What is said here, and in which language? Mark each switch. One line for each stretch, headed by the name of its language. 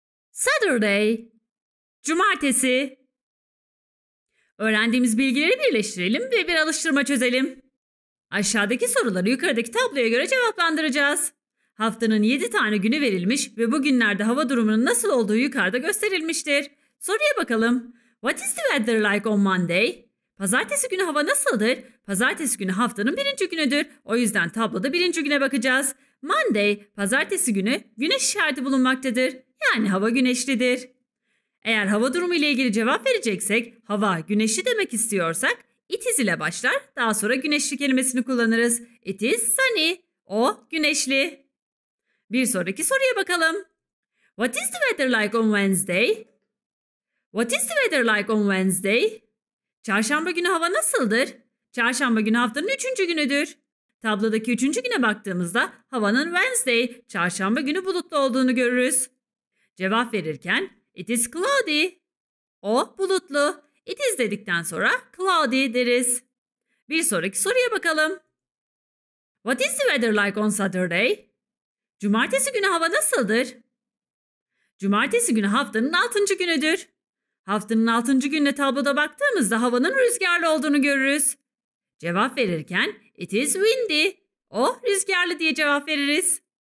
English: Saturday, cumartesi.
Turkish: Öğrendiğimiz bilgileri birleştirelim ve bir alıştırma çözelim. Aşağıdaki soruları yukarıdaki tabloya göre cevaplandıracağız. Haftanın 7 tane günü verilmiş ve bu günlerde hava durumunun nasıl olduğu yukarıda gösterilmiştir. Soruya bakalım.
English: What is the weather like on Monday?
Turkish: Pazartesi günü hava nasıldır? Pazartesi günü haftanın birinci günüdür. O yüzden tabloda birinci güne bakacağız. Monday, pazartesi günü güneş işareti bulunmaktadır. Yani hava güneşlidir. Eğer hava durumu ile ilgili cevap vereceksek, hava güneşli demek istiyorsak,
English: it is
Turkish: ile başlar, daha sonra güneşli kelimesini kullanırız.
English: It is sunny,
Turkish: o güneşli. Bir sonraki soruya bakalım.
English: What is the weather like on Wednesday? What is the weather like on Wednesday?
Turkish: Çarşamba günü hava nasıldır? Çarşamba günü haftanın üçüncü günüdür. Tablodaki üçüncü güne baktığımızda havanın Wednesday, çarşamba günü bulutlu olduğunu görürüz. Cevap verirken
English: it is cloudy.
Turkish: O bulutlu.
English: It is
Turkish: dedikten sonra cloudy deriz. Bir sonraki soruya bakalım.
English: What is the weather like on Saturday?
Turkish: Cumartesi günü hava nasıldır? Cumartesi günü haftanın altıncı günüdür. Haftanın altıncı gününe tabloda baktığımızda havanın rüzgarlı olduğunu görürüz. Cevap verirken
English: it is windy.
Turkish: O rüzgarlı diye cevap veririz.